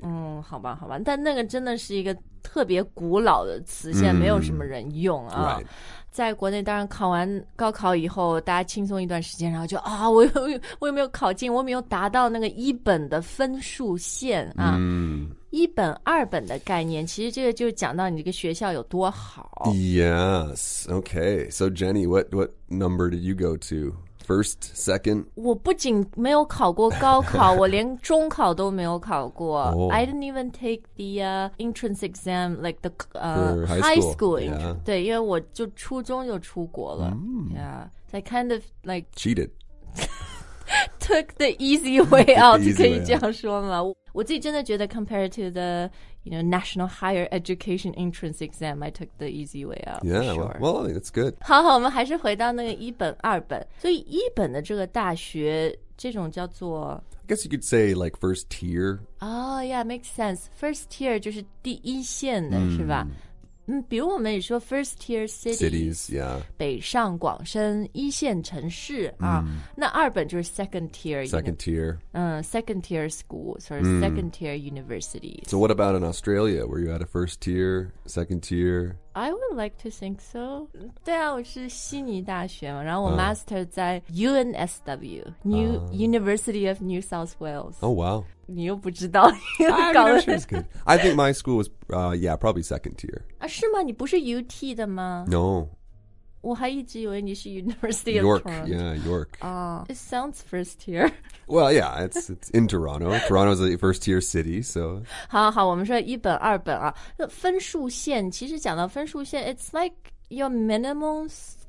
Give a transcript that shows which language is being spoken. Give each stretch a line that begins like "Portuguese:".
Chinese: 嗯好吧好吧但那个真的是一个特别古老的词现在没有什么人用啊、
English: mm, right.
Chinese: 在国内当然考完高考以后大家轻松一段时间然后就啊我有没有考进我有没有达到那个一本的分数线啊、 mm. 一本二本的概念其实这个就讲到你这个学校有多好
English: Yes, okay So Jenny, what number did you go to? First, second?
Chinese: 我不仅没有考过高考我连中考都没有考过、 oh.
English: I didn't even take the、entrance exam Like the、 high school、yeah.
Chinese: 对因为我就初中就出国了、 mm.
English: Yeah, I kind of like Cheated Took the easy way out easy
Chinese: 可以这样说吗我自己真的觉得
English: compared to the, you know, National Higher Education Entrance Exam, I took the easy way out. Yeah,、 sure. well, that's good.
Chinese: 好好我们还是回到那个一本二本。所以一本的这个大学这种叫做
English: I guess you could say like first tier. Oh, yeah, makes sense. First tier
Chinese: 就是第一线的、 mm. 是吧嗯比如我们也说 first tier
English: cities, yeah.
Chinese: 北上广深一线城市、mm. 啊那二本就是 second tier.
English: Second tier. 嗯 second tier schools or、mm. second tier universities. So what about in Australia? Were you at a first tier, second tier? I would like to think so.
Chinese: 对啊我是悉尼大学嘛然后我
English: master 在 UNSW, New、University of New South Wales. Oh, wow.
Chinese: 你又不知道搞了 sure it's good.
English: I think my school was、yeah, probably second tier、
Chinese: 啊、是吗你不是 UT 的吗
English: No
Chinese: 我还一直以为你是 University
English: York, of Toronto York, yeah, York、 It sounds first tier Well, yeah, it's in Toronto Toronto's a first tier city, so
Chinese: 好好我们说一本二本啊分数线其实讲到分数线
English: It's like your minimum score